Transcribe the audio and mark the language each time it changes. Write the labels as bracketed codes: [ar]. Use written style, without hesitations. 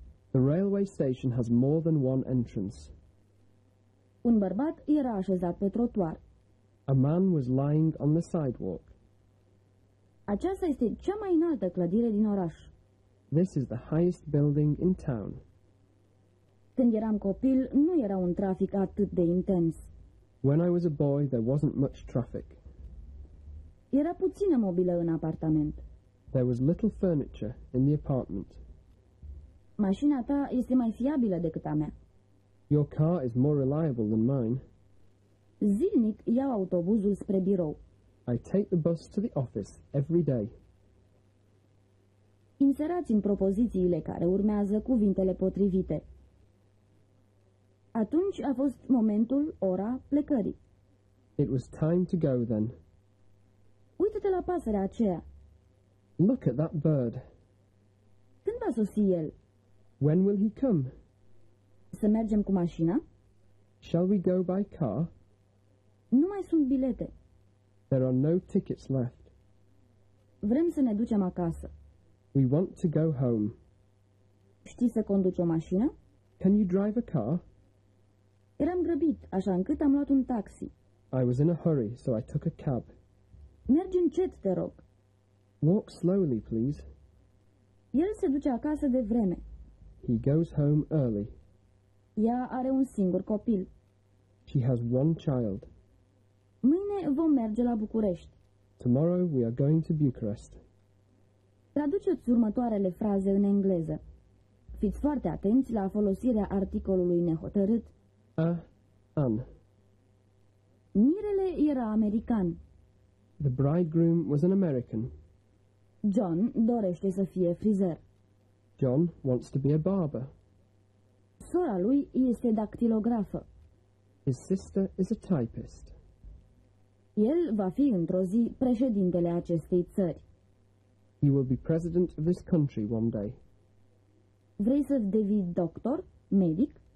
[en] The railway station has more than one entrance. [ro] Un bărbat era așezat pe trotuar. [en] A man was lying on the sidewalk. [ro] Aceasta este cea mai înaltă clădire din oraș. [en] This is the highest building in town. [ro] Când eram copil, nu era un trafic atât de intens. [en] When I was a boy, there wasn't much traffic. [ro] Era puțină mobilă în apartament. [en] There was little furniture in the apartment. [ro] Mașina ta este mai fiabilă decât a mea. [en] Your car is more reliable than mine. [ro] Zilnic iau autobuzul spre birou. [en] I take the bus to the office every day. [ro] Inserați în propozițiile care urmează cuvintele potrivite. Atunci a fost momentul, ora plecării. [en] It was time to go then. [ro] Uită-te la pasărea aceea. [en] Look at that bird. [ro] Când va sosi el? [en] When will he come? [ro] Să mergem cu mașina? [en] Shall we go by car? [ro] Nu mai sunt bilete. [en] There are no tickets left. [ro] Vrem să ne ducem acasă. [en] We want to go home. [ro] Știi să conduci o mașină? [en] Can you drive a car? [ro] Eram grăbit, așa încât am luat un taxi. [en] I was in a hurry, so I took a cab. [ro] Mergi încet, te rog. [en] Walk slowly, please. [ro] El se duce acasă de vreme. [en] He goes home early. [ro] Ea are un singur copil. [en] She has one child. [ro] Mâine vom merge la București. [en] Tomorrow we are going to Bucharest. [ro] Traduceți următoarele fraze în engleză. Fiți foarte atenți la folosirea articolului nehotărât. [en] A, an. [ro] Mirele era american. [en] The bridegroom was an American. [ro] John dorește să fie frizer. [en] John wants to be a barber. [ro] Sora lui este dactilografă. [en] His sister is a typist. [ro] El va fi într-o zi președintele acestei țări. [en] He will be president of this country one day. [ro] Vrei să devii doctor, medic?